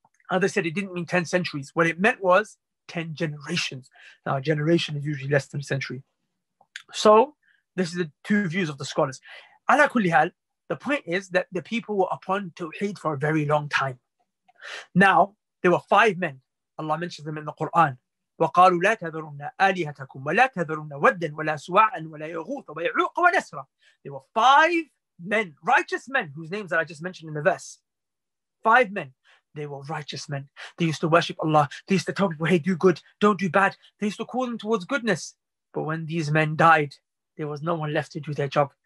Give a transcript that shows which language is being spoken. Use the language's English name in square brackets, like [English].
[English] Others said it didn't mean 10 centuries. What it meant was 10 generations. Now, a generation is usually less than a century. So this is the two views of the scholars. [Arabic] Ala kulli hal, [English] the point is that the people were upon tawheed for a very long time. Now, there were five men. Allah mentions them in the Quran. [Arabic] وقالوا لا تذرن آلهتكم ولا تذرن ودا ولا سواعا ولا يغوث ويعوق ونسرا. [English] There were five men, righteous men, whose names that I just mentioned in the verse. Five men. They were righteous men. They used to worship Allah. They used to tell people, hey, do good, don't do bad. They used to call them towards goodness. But when these men died, there was no one left to do their job.